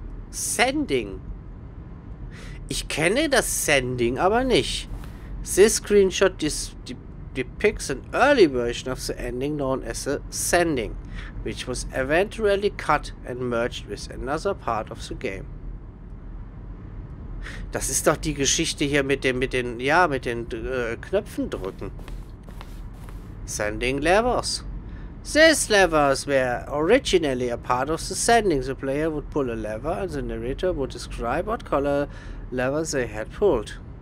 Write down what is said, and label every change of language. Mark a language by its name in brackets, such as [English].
[German] Sending. Ich kenne das Sending aber nicht. [English] This screenshot depicts an early version of the ending known as the sending, which was eventually cut and merged with another part of the game. [German] Das ist doch die Geschichte hier mit den Knöpfen drücken. [English] Sending levers. These levers were originally a part of the sending. The player would pull a lever and the narrator would describe what color lever they had pulled.